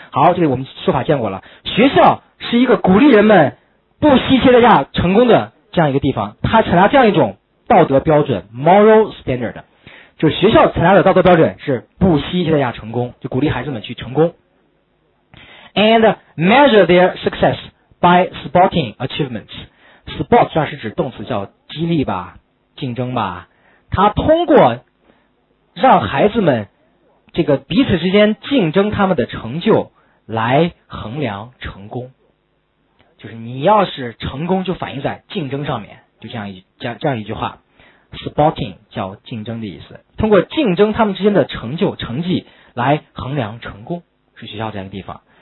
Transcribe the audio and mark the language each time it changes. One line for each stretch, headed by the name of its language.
Chinese: 好，这个我们说法见过了，学校是一个鼓励人们不惜一切代价成功的这样一个地方，他采纳这样一种道德标准 moral standard， 就是学校采纳的道德标准是不惜一切代价成功，就鼓励孩子们去成功。
English: And measure their success by sporting achievements。
Chinese: Sport 算是指动词，叫激励吧，竞争吧，他通过让孩子们这个彼此之间竞争他们的成就来衡量成功，就是你要是成功就反映在竞争上面，就这样一句话 sporting 叫竞争的意思，通过竞争他们之间的成就成绩来衡量成功，是学校这样一个地方。